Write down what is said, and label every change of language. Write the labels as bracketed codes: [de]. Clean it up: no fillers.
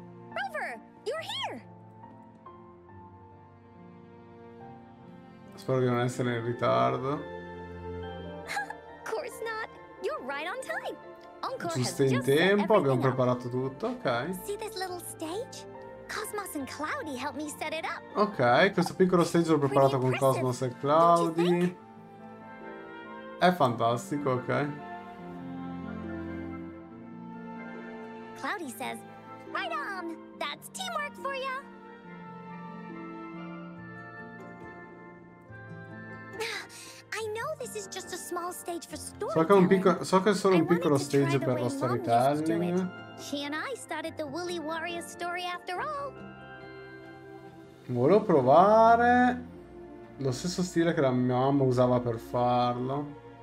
[en] Rover, you're here. [it] Spero di non essere in ritardo. [en] Of course not. You're right on time. [it] Giusto in tempo, abbiamo preparato tutto, ok. [en] See this little stage? Cosmos and Cloudy helped me set it up. [it] Ok, questo piccolo stage l'ho preparato con Cosmos e Cloudy. È fantastico, ok. [en] Cloudy says, "Right on. That's teamwork for ya." I know this is just a small stage for storytelling. [it] So che è solo un piccolo stage per lo storytelling. [en] She and I started the Woolly Warrior story after all. [it] Volevo provare lo stesso stile che la mia mamma usava per farlo.